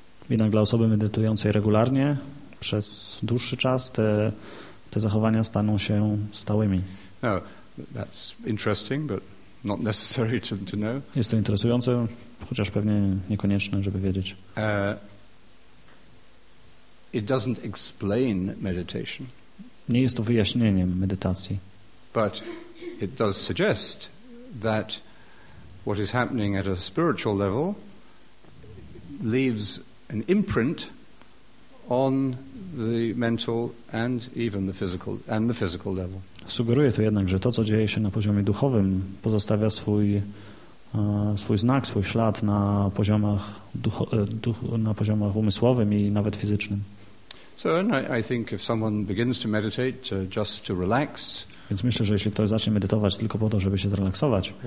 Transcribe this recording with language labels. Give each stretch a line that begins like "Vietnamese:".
Polish: Jednak dla osoby medytującej regularnie przez dłuższy czas te zachowania staną się stałymi.
English: Now, that's interesting, but not necessary to know.
Polish: Jest to interesujące, chociaż pewnie niekonieczne, żeby wiedzieć.
English: It doesn't explain meditation.
Polish: Nie jest to wyjaśnieniem medytacji.
English: But it does suggest that what is happening at a spiritual level leaves an imprint on the mental and even the physical level.
Polish: Sugeruje to jednak, że to, co dzieje się na poziomie duchowym, pozostawia swój znak, swój ślad na poziomach poziomach umysłowym i nawet fizycznym.
English: So I think if someone begins to meditate just to relax.
Polish: Więc myślę, że jeśli ktoś zacznie medytować tylko po to, żeby się zrelaksować,